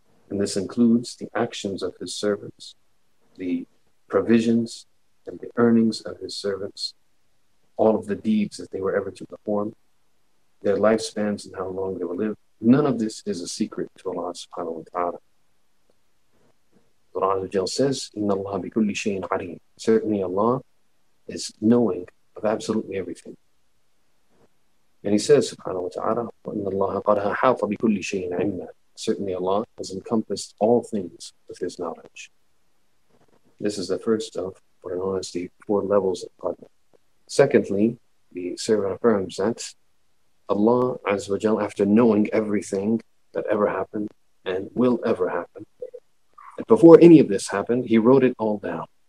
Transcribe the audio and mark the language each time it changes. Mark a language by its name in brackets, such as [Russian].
[English] And this includes the actions of His servants, the provisions and the earnings of His servants, all of the deeds that they were ever to perform, their lifespans and how long they will live. None of this is a secret to Allah subhanahu wa ta'ala. Allah Azza wa Jal says, [Arabic] إِنَّ اللَّهَ بِكُلِّ شَيْءٍ عَلِيمٍ. [English] Certainly Allah is knowing of absolutely everything. And he says, [Arabic] subhanahu wa ta'ala, وَإِنَّ اللَّهَ قَدْ أَحَاطَ بِكُلِّ شَيْءٍ عِلْمًا. [English] Certainly Allah has encompassed all things with His knowledge. This is the first of, for an honesty, four levels of Qadr. Secondly, the servant affirms that Allah, Azza wa Jal, after knowing everything that ever happened and will ever happen, and before any of this happened, He wrote it all down.